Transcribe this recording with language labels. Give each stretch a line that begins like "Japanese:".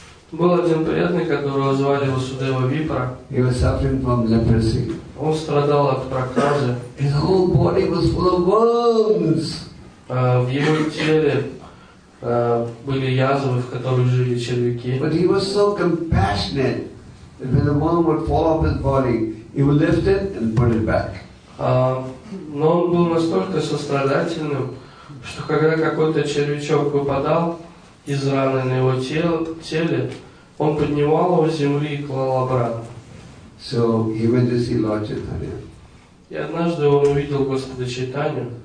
Russian: Был один преданный, которого звали Васудева Випра.
English: He was suffering from leprosy.
Russian: Он страдал от проказы.
English: His whole body was full of worms.
Russian: В его теле были язвы, в которых жили червяки.
English: But he was so compassionate that when the worm would fall off his body, he would lift it and put it back.
Russian: Но он был настолько сострадательным, что когда какой-то червячок выпадал из раны на его теле, он поднимал его с земли и клал обратно.
English: So he went to see Lord Chaitanya.
Russian: И однажды он увидел Господа Чайтанью.